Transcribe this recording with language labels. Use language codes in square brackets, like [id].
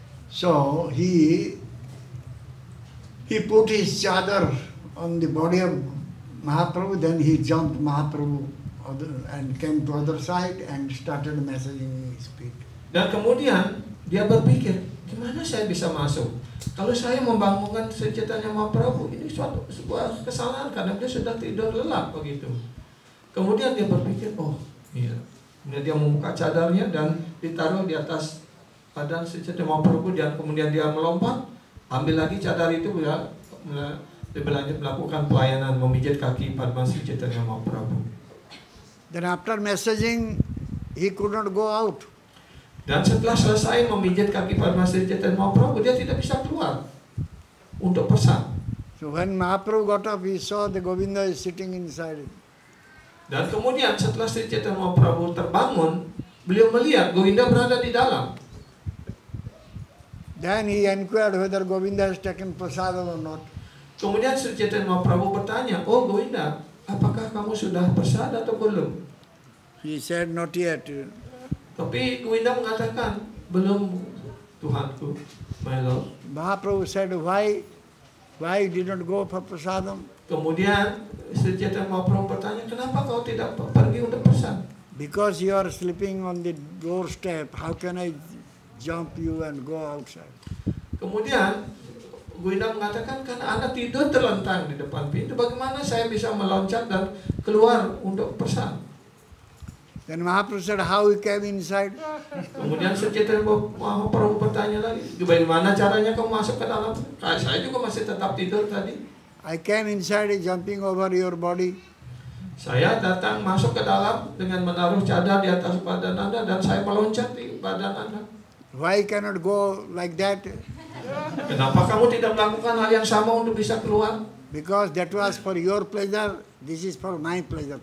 [en] So he put his chadar on the body of Mahaprabhu, then he jumped Mahaprabhu and came to other side and started massaging his feet. [id] Dan kemudian dia berpikir, gimana saya bisa masuk? Kalau saya membangunkan Sri Chaitanya Mahaprabhu, ini suatu sebuah kesalahan karena dia sudah tidur lelap begitu. Kemudian dia berpikir, oh iya. Kemudian dia membuka cadarnya dan ditaruh di atas badan Sri Chaitanya Mahaprabhu, dan kemudian dia melompat ambil lagi cadar itu ya, berlanjut melakukan pelayanan memijat kaki Padmasri Chaitanya Mahaprabhu. [en] Then after messaging, he could not go out. [id] Dan setelah selesai memijat kaki Padmasri Chaitanya Mahaprabhu, dia tidak bisa keluar untuk pesan. [en] So when Mahaprabhu got up, he saw the Govinda is sitting inside. [id] Dan kemudian setelah Sri Chaitanya Mahaprabhu terbangun, beliau melihat Govinda berada di dalam. [en] Then he inquired whether Govinda has taken prasad or not. [id] Kemudian Sri Chaitanya Mahaprabhu bertanya, oh Govinda, apakah kamu sudah prasad atau belum? [en] He said, not yet. [id] Tapi Govinda mengatakan, belum Tuhanku, [en] my lord. Mahaprabhu said, why did not go for prasadam? [id] Kemudian Sri Chaitanya Mahaprabhu bertanya, kenapa kau tidak pergi untuk prasad? [en] Because you are sleeping on the doorstep, how can I jump you and go outside? [id] Kemudian Govinda mengatakan, karena Anda tidur terlentang di depan pintu, bagaimana saya bisa meloncat dan keluar untuk pesan? [en] Then Mahaprabhu said, how you came inside? [id] Kemudian Sri Chaitanya Mahaprabhu bertanya lagi, bagaimana caranya kamu masuk ke dalam? Saya juga masih tetap tidur tadi. [en] I came inside jumping over your body. [id] Saya datang masuk ke dalam dengan menaruh cadar di atas badan Anda dan saya meloncat di badan Anda. [en] Why cannot go like that? [id] Kenapa kamu tidak melakukan hal yang sama untuk bisa keluar? [en] Because that was for your pleasure, this is for my pleasure.